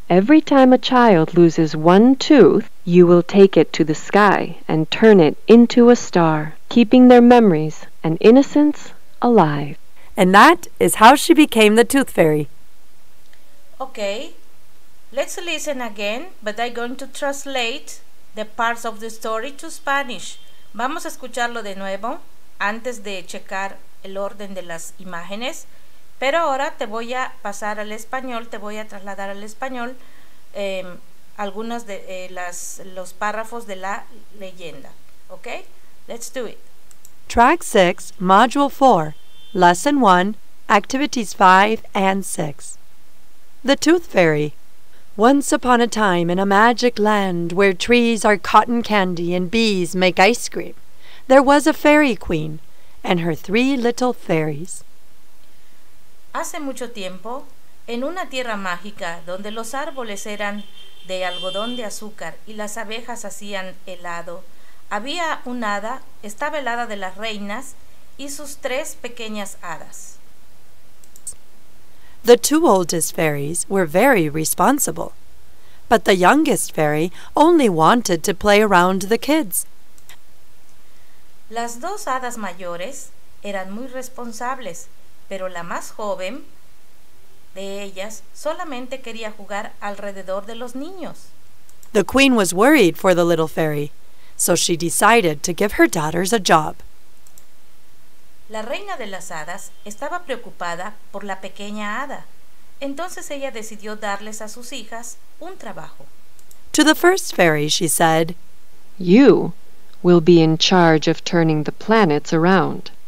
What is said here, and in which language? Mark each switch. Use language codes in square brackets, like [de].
[en] Every time a child loses one tooth, you will take it to the sky and turn it into a star, keeping their memories and innocence alive. And that is how she became the Tooth Fairy. Okay, let's listen again, but I'm going to translate the parts of the story to Spanish. [es] Vamos a escucharlo de nuevo antes de checar el orden de las imágenes. Pero ahora te voy a pasar al español, te voy a trasladar al español algunas de los párrafos de la leyenda. [en] Okay? Let's do it. Track 6, Module 4, Lesson 1, Activities 5 and 6. The Tooth Fairy. Once upon a time, in a magic land where trees are cotton candy and bees make ice cream, there was a fairy queen and her three little fairies. [es] Hace mucho tiempo, en una tierra mágica donde los árboles eran de algodón de azúcar y las abejas hacían helado, había una hada, estaba el hada de las reinas y sus tres pequeñas hadas. [en] The two oldest fairies were very responsible, but the youngest fairy only wanted to play around the kids. [es] Las dos hadas mayores eran muy responsables, pero la más joven de ellas solamente quería jugar alrededor de los niños. [en] The queen was worried for the little fairy, so she decided to give her daughters a job. [es] La reina de las hadas estaba preocupada por la pequeña hada. Entonces ella decidió darles a sus hijas un trabajo. [en] To the first fairy, she said, "You will be in charge of turning the planets around.